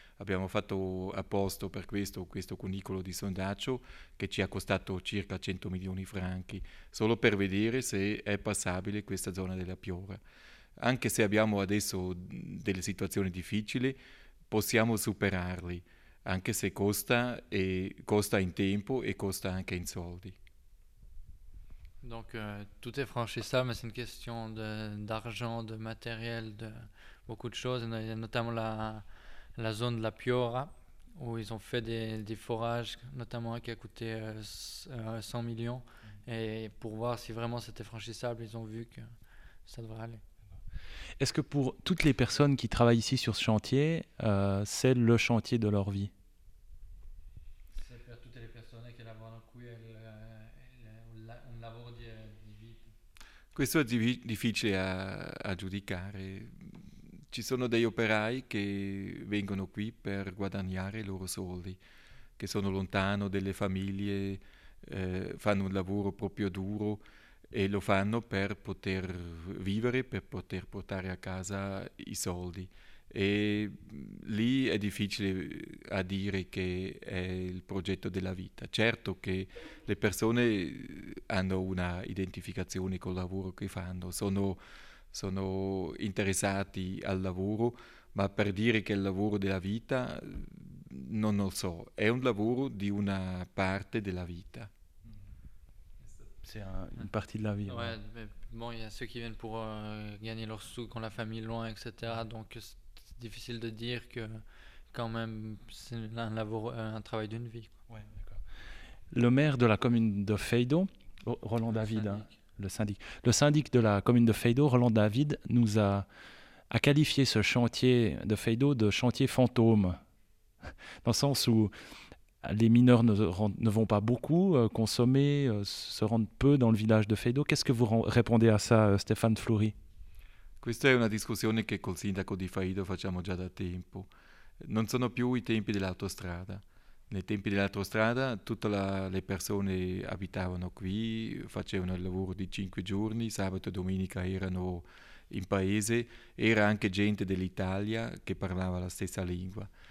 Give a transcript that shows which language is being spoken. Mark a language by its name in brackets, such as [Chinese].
[Italian] Abbiamo fatto apposta per questo cunicolo di sondaggio che ci ha costato circa 100 milioni di franchi, solo per vedere se è passabile questa zona della Piora. Anche se abbiamo adesso delle situazioni difficili, possiamo superarli, anche se costa, e costa in tempo e costa anche in soldi. [French] Donc tout est franchissable, mais c'est une question d'argent, de matériel, de beaucoup de choses, notamment la zone de la Piora, où ils ont fait des forages, notamment qui a coûté 100 millions. Et pour voir si vraiment c'était franchissable, ils ont vu que ça devrait aller. Est-ce que pour toutes les personnes qui travaillent ici sur ce chantier, c'est le chantier de leur vie? C'est pour toutes les personnes qui [Italian] lavoro qui è un lavoro di vita. Questo è difficile a giudicare. Ci sono dei operai che vengono qui per guadagnare i loro soldi, che sono lontano dalle famiglie, fanno un lavoro proprio duro e lo fanno per poter vivere, per poter portare a casa i soldi. E lì è difficile a dire che è il progetto della vita. Certo che le persone hanno una identificazione col lavoro che fanno, sono interessati al lavoro, ma per dire che è il lavoro della vita, non lo so, è un lavoro di una parte della vita. [French] C'est une partie de la vie. Ouais, mais bon, il y a ceux qui viennent pour gagner leur sous quand la famille est loin, etc. Donc c'est difficile de dire que quand même c'est un travail d'une vie. Ouais, d'accord. Le maire de la commune de Feydeau, Roland David, le syndic de la commune de Feydeau, Roland David, nous a qualifié ce chantier de Feydeau de chantier fantôme, dans le sens où les mineurs ne vont pas beaucoup consommer, se rendent peu dans le village de Feydeau. Qu'est-ce que vous répondez à ça, Stéphane Flouri? [Italian] Questa è una discussione che col sindaco di Feydeau facciamo già da tempo. Non sono più i tempi dell'autostrada. Nei tempi dell'autostrada tutte le persone abitavano qui, facevano il lavoro di 5 giorni, sabato e domenica erano in paese, era anche gente dell'Italia che parlava la stessa lingua.